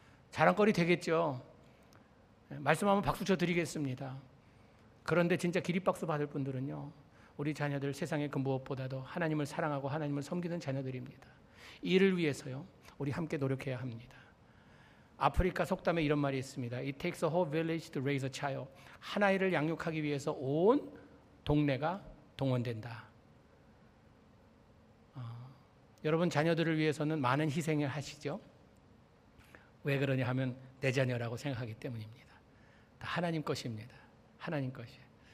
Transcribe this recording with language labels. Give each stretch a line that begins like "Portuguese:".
Korean: 자랑거리 되겠죠. 말씀하면 박수 쳐드리겠습니다. 그런데 진짜 기립박수 받을 분들은요, 우리 자녀들 세상에 그 무엇보다도 하나님을 사랑하고 하나님을 섬기는 자녀들입니다. 이를 위해서요 우리 함께 노력해야 합니다. 아프리카 속담에 이런 말이 있습니다.
English: It takes a whole village to raise a child.
Korean: 한 아이를 양육하기 위해서 온 동네가 동원된다. 여러분, 자녀들을 위해서는 많은 희생을 하시죠. 왜 그러냐 하면 내 자녀라고 생각하기 때문입니다. 다 하나님 것입니다. 하나님 것이에요.